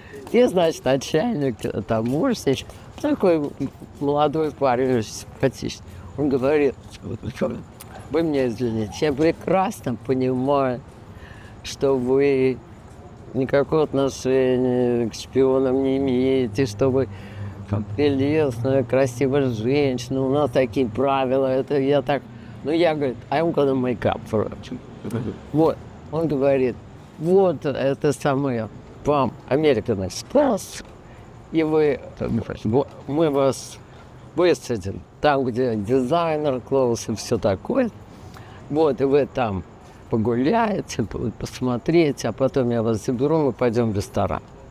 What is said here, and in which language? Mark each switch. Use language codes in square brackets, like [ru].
[ru] И, значит, начальник таможенник, такой молодой парень, очень симпатичный, он говорит, вы мне извините, я прекрасно понимаю, что вы никакого отношения к шпионам не имеете, что вы прелестная, красивая женщина, у нас такие правила, это я так... Ну, я, говорит, [en] I'm gonna make up for it. [ru] Вот, он говорит, вот это самое, вам American Express, и вы, мы вас высадим там, где дизайнер, клоус и все такое. Вот, и вы там погуляете, посмотрите, а потом я вас заберу, мы пойдем в ресторан.